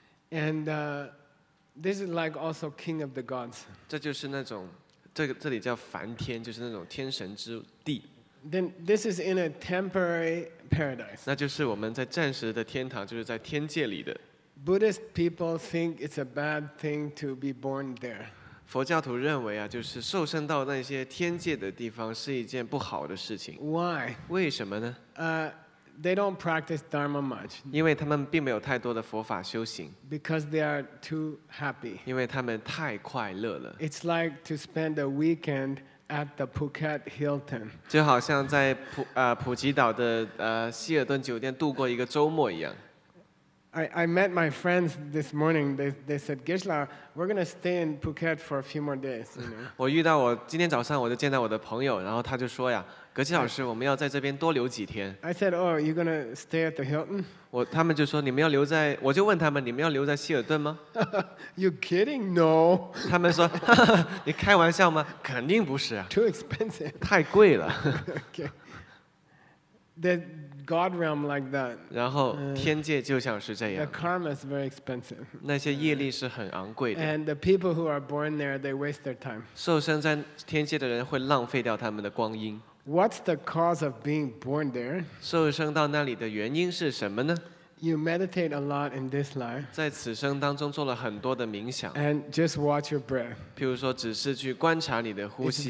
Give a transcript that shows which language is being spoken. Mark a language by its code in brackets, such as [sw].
[en] And this is like also king of the gods. [zh] 这就是那种，这里叫梵天，就是那种天神之地。 [en] Then this is in a temporary paradise. [zh] 那就是我们在暂时的天堂，就是在天界里的。 [en] Buddhist people think it's a bad thing to be born there. [zh] 佛教徒认为啊，就是受生到那些天界的地方是一件不好的事情。 [en] Why? [zh] 为什么呢？ [en] They don't practice dharma much. [zh] 因为他们并没有太多的佛法修行。 [en] Because they are too happy. [zh] 因为他们太快乐了。 [en] It's like to spend a weekend at the Phuket Hilton. [zh] 就好像在普吉岛的希尔顿酒店度过一个周末一样。 [en] I met my friends this morning. They said, Geshe-la, we're going to stay in Phuket for a few more days. [zh] 我遇到我今天早上我就见到我的朋友，然后他就说呀。格吉老师，我们要在这边多留几天。 [en] I said, "Oh, you're gonna stay at the Hilton?" [zh] 他们就说你们要留在，我就问他们你们要留在希尔顿吗 [en] ？You kidding? No. [zh] 他们说你开玩笑吗？肯定不是啊。 [en] Too expensive. [zh] 太贵了。 [en] Okay. The God realm like that. [zh] 然后天界就像是这样。 [en] The karma is very expensive. [zh] 那些业力是很昂贵的。 [en] And the people who are born there, they waste their time. [zh] 受生在天界的人会浪费掉他们的光阴。 [en] What's the cause of being born there? [zh] 受生到那里的原因是什么呢？ [en] You meditate a lot in this life. [zh] 在此生当中做了很多的冥想。 [en] And just watch your breath. [zh] 譬如说只是去观察你的呼吸。